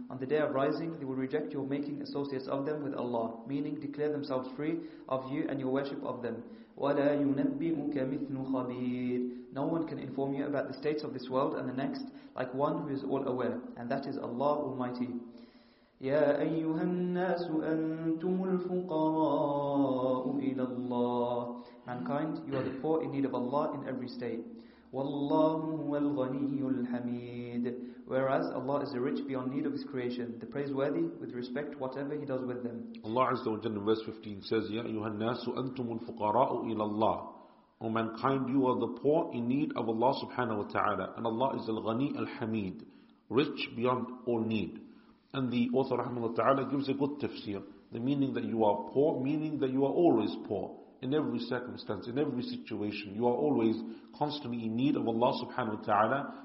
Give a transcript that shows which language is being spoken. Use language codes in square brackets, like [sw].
[en] On the day of rising, they will reject your making associates of them with Allah, meaning declare themselves free of you and your worship of them. [ar] وَلَا يُنَبِّئُكَ مِثْلُ خَبِيرٍ. [en] No one can inform you about the states of this world and the next, like one who is all aware, and that is Allah Almighty. [ar] يا أيها الناس أنتم الفقراء إلى الله. [en] Mankind, you are the poor in need of Allah in every state. [ar] والله هو الغني الحميد. [en] Whereas Allah is the rich beyond need of His creation, the praiseworthy with respect to whatever He does with them. Allah Azza wa Jalla in verse 15 says, [ar] يا أيها الناس أنتم الفقراء إلى الله. [en] O mankind, you are the poor in need of Allah subhanahu wa ta'ala. And Allah is al-ghani al-hamid, rich beyond all need. And the author rahimahullah ta'ala gives a good tafsir. The meaning that you are poor, meaning that you are always poor. In every circumstance, in every situation, you are always constantly in need of Allah subhanahu wa ta'ala.